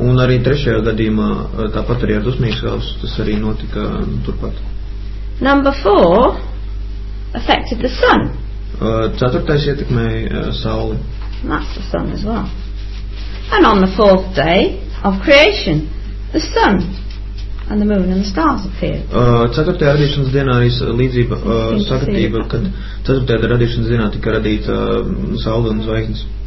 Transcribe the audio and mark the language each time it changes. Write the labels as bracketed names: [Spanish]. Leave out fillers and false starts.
[Latvian] Un arī trešajā gadījumā, tāpat arī ar dusmīgas galvas, tas arī notika turpat. [English] Number four affected the sun. [Latvian] Ceturtais ietekmēja sauli. [English] That's the sun as well. And on the fourth day of creation, the sun and the moon and the stars appeared. [Latvian] Ceturtajā radīšanas dienā ir līdzība, sakatība, kad ceturtajā radīšanas dienā tika radīta sauli un zvaigznes.